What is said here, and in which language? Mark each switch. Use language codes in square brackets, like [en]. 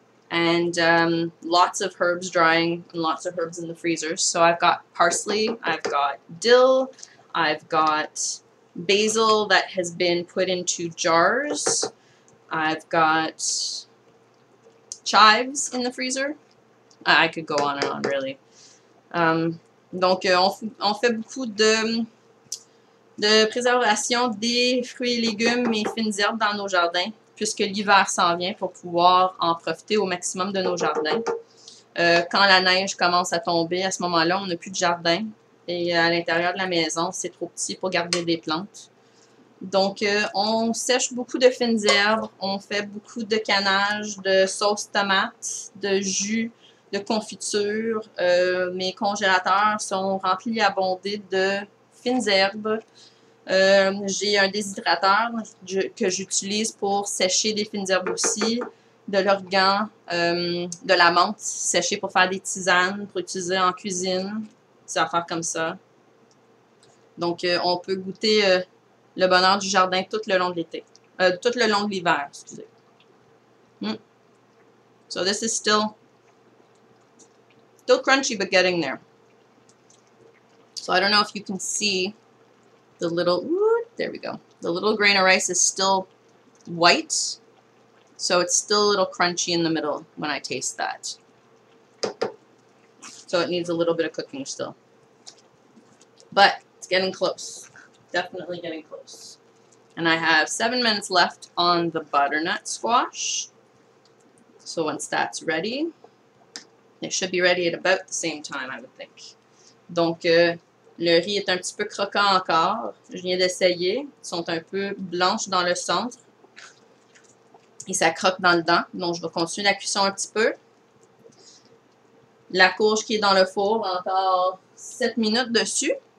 [en] And lots of herbs drying and lots of herbs in the freezers. So I've got parsley, I've got dill, I've got basil that has been put into jars, I've got chives in the freezer. I could go on and on, really. [fr] Donc, on fait beaucoup de préservation des fruits et légumes et fines herbes dans nos jardins, puisque l'hiver s'en vient pour pouvoir en profiter au maximum de nos jardins. Quand la neige commence à tomber, à ce moment-là, on n'a plus de jardin. Et à l'intérieur de la maison, c'est trop petit pour garder des plantes. Donc, on sèche beaucoup de fines herbes, on fait beaucoup de canage, de sauce tomate, de jus, de confiture. Mes congélateurs sont remplis abondés de fines herbes. J'ai un déshydrateur que j'utilise pour sécher des fines herbes aussi, de l'organ, de la menthe séchée pour faire des tisanes, pour utiliser en cuisine, des affaires comme ça. Donc, on peut goûter le bonheur du jardin tout le long de l'été, tout le long de l'hiver, excusez. [en] So this is still crunchy, but getting there. So I don't know if you can see the little, there we go. The little grain of rice is still white, so it's still a little crunchy in the middle when I taste that. So it needs a little bit of cooking still. But it's getting close. Definitely getting close. And I have 7 minutes left on the butternut squash. So once that's ready, it should be ready at about the same time, I would think. [fr] Donc, le riz est un petit peu croquant encore. Je viens d'essayer. Ils sont un peu blanches dans le centre. Et ça croque dans le dent. Donc, je vais continuer la cuisson un petit peu. La courge qui est dans le four, encore 7 minutes dessus.